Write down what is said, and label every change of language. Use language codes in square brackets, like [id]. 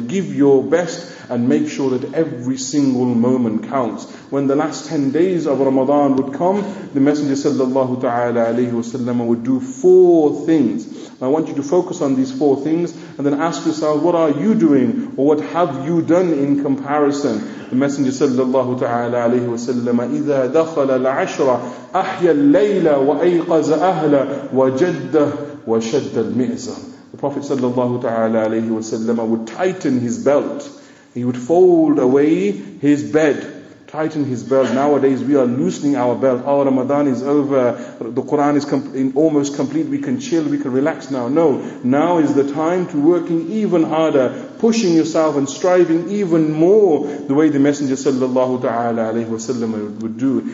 [en] Give your best and make sure that every single moment counts. When the last 10 days of Ramadan would come, the Messenger sallallahu ta'ala alayhi wa sallam would do four things. I want you to focus on these four things and then ask yourself, what are you doing, or what have you done in comparison? The Messenger [ar] sallallahu ta'ala alayhi wa sallam, إِذَا دَخَلَ الْعَشْرَ أَحْيَ اللَّيْلَ وَأَيْقَزَ أَهْلَ وَجَدَّهُ وَشَدَّ الْمِئْزَرِ. [en] The Prophet sallallahu ta'ala alayhi wa sallam would tighten his belt. He would fold away his bed, tighten his belt. Nowadays we are loosening our belt. Our Ramadan is over. The Quran is almost complete. We can chill, we can relax now. No, now is the time to working even harder, pushing yourself and striving even more, the way the Messenger sallallahu ta'ala alayhi wa sallam would do.